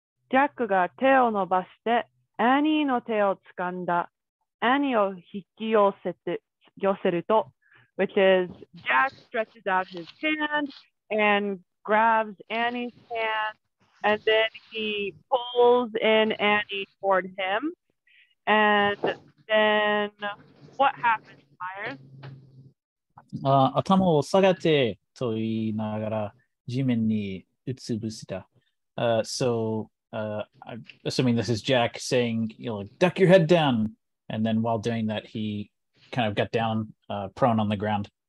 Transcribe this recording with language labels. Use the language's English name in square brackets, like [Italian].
[Japanese] ジャックが手を伸ばしてアニーの手をつかんだ。アニーを引き寄せて寄せると、 [English] which is Jack stretches out his hand and grabs Annie's hand, and then he pulls in Annie toward him. And then what happens, Myers? [Japanese] 頭を下げてと言いながら地面にうつ伏せた。 [English] I'm assuming this is Jack saying, you know, duck your head down. And then while doing that, he kind of got down prone on the ground.